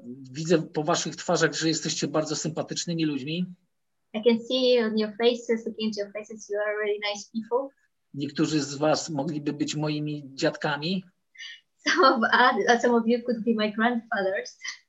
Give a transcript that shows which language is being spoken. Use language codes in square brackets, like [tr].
[pl] Widzę po waszych twarzach, że jesteście bardzo sympatycznymi ludźmi. [en] I can see on your faces, looking at your faces, you are really nice people. [pl] Niektórzy z was mogliby być moimi dziadkami. [en] Some of you could be my grandfathers.